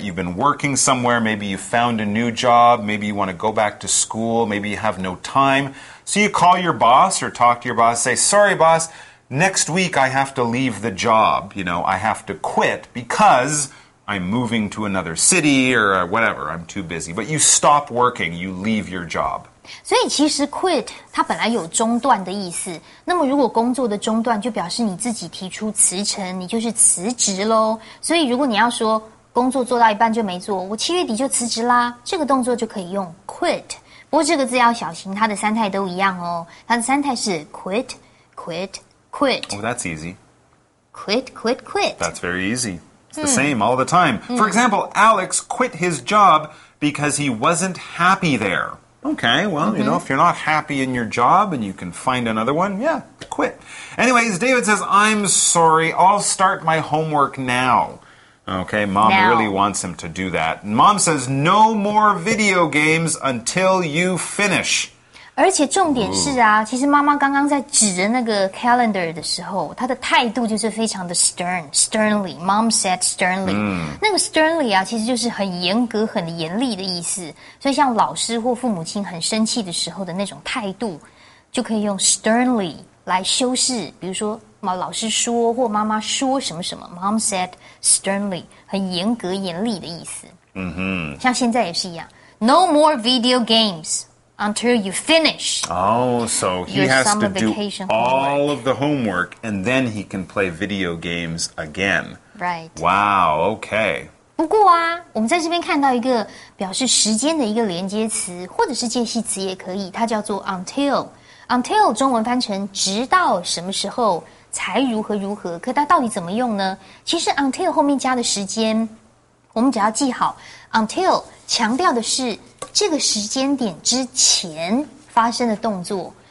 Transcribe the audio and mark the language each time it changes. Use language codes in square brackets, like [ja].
[en] You've been working somewhere, maybe you found a new job, maybe you want to go back to school, maybe you have no time. So you call your boss or talk to your boss, say, sorry, boss, next week I have to leave the job. You know, I have to quit because I'm moving to another city or whatever. I'm too busy. But you stop working. You leave your job. [zh] 所以其实 quit 它本来有中断的意思。那么如果工作的中断就表示你自己提出辞呈，你就是辞职咯。所以如果你要说工作做到一半就没做，我七月底就辞职啦，这个动作就可以用 quit。不过这个字要小心，它的三态都一样哦。它的三态是 [en] quit, quit, quit. Oh, that's easy. Quit, quit, quit. That's very easy. It's the same all the time. For example, Alex quit his job because he wasn't happy there. Okay, well, you know, if you're not happy in your job and you can find another one, yeah, quit. Anyways, David says, I'm sorry, I'll start my homework now. Okay, Mom really wants him to do that. Mom says, no more video games until you finish. [zh] 而且重点是啊，其实妈妈刚刚在指着那个 calendar 的时候，她的态度就是非常的 stern, sternly. [en] Mom said sternly. [zh] 那个 sternly 啊，其实就是很严格、很严厉的意思。所以像老师或父母亲很生气的时候的那种态度，就可以用 sternly 来修饰，比如说老师说或妈妈说什么什么 ， [en] Mom said sternly， [zh] 很严格、严厉的意思。像现在也是一样 [en] ，No more video games until you finish. Oh, so he has to do all of the homework and then he can play video games again. Right. Wow. Okay. [zh] 不过啊，我们在这边看到一个表示时间的一个连接词，或者是介系词也可以，它叫做 until。 until 中文翻成直到什么时候。才如何如何，可它到底怎么用呢？其实 until 后面加的时间，我们只要记好 until 强调的是这个时间点之前发生的动作。